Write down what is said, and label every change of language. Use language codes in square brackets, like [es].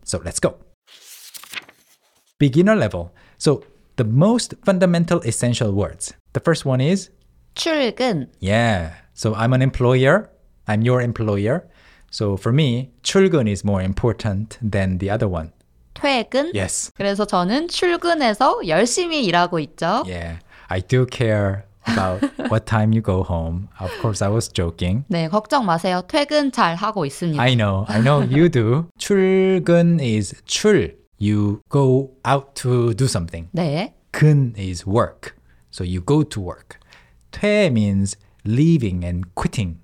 [en] So let's go. Beginner level. So the most fundamental essential words. The first one is [ko] 출근. [en] Yeah. So I'm an employer. I'm your employer. So for me, 출근 is more important than the other one. [ko] 퇴근? [en] Yes. [ko] 그래서 저는 출근해서 열심히 일하고 있죠. [en] Yeah. I do care about what time you go home. Of course, I was joking. [ko] 네, 걱정 마세요. 퇴근 잘 하고 있습니다. [en] I know you do. 출근 is 출. You go out to do something. [ko] 네. [en] 근 is work. So you go to work. 퇴 means leaving and quitting